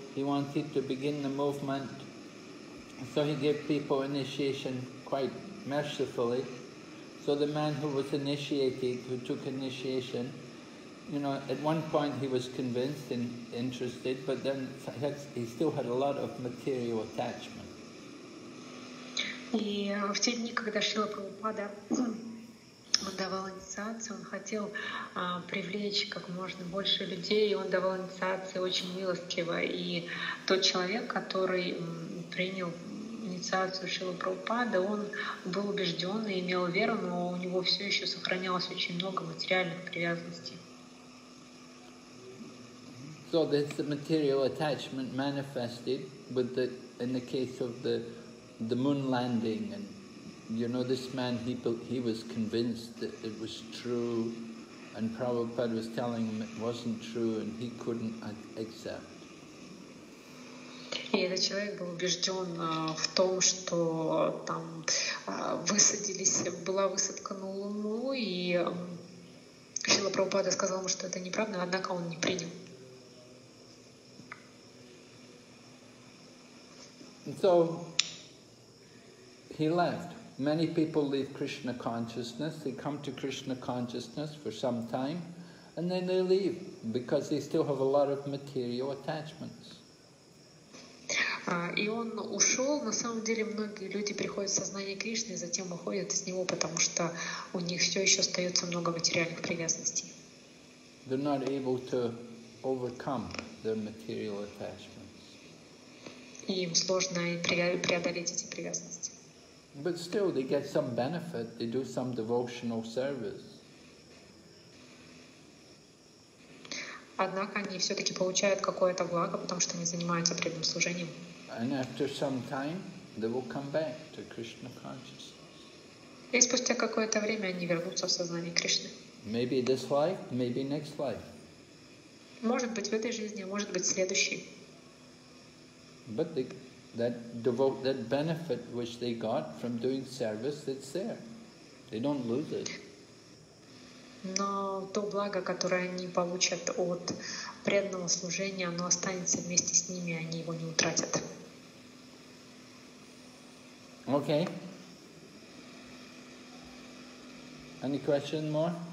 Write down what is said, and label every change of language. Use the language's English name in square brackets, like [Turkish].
[English] He wanted to begin the movement, so he gave people initiation quite mercifully. So the man who was initiated, who took initiation, you know, at one point he was convinced and interested, but then he still had a lot of material attachment. [Russian] И в те дни, когда Шрила Прабхупада он давал инициацию, он хотел привлечь как можно больше людей, и он давал инициации очень милостиво. И тот человек, который принял инициацию Шрилы Прабхупады, он был убежден и имел веру, но у него все еще сохранялось очень много материальных привязанностей. [English] So there's the material attachment manifested with the in the case of the moon landing and you know, this man, he was convinced that it was true, and Prabhupada was telling him it wasn't true, and he couldn't accept. [Russian] И этот человек был убежден в том, что там высадились, была высадка на Луну, и Шрила Прабхупада сказал ему, что это неправда, однако он не принял. [English] So he left. Many people leave Krishna consciousness, they come to Krishna consciousness for some time, and then they leave, because they still have a lot of material attachments. [Russian] И он ушел. На самом деле многие люди приходят в сознание Кришны и затем выходят из него, потому что у них все еще остается много материальных привязанностей. [English] They're not able to overcome their material attachments. [Russian] И им сложно преодолеть эти привязанности. [English] But still, they get some benefit. They do some devotional service. [Russian] Однако они все-таки получают какое-то благо, потому что они занимаются преданным служением. [English] And after some time, they will come back to Krishna consciousness. [Russian] И спустя какое-то время они вернутся в сознание Кришны. [English] Maybe this life, maybe next life. [Russian] Может быть в этой жизни, может быть в следующей. [English] But they. That benefit which they got from doing service, it's there. They don't lose it. [Russian] Но то благо, которое они получат от преданного служения, оно останется вместе с ними, они его не утратят. [English] Okay. Any question more?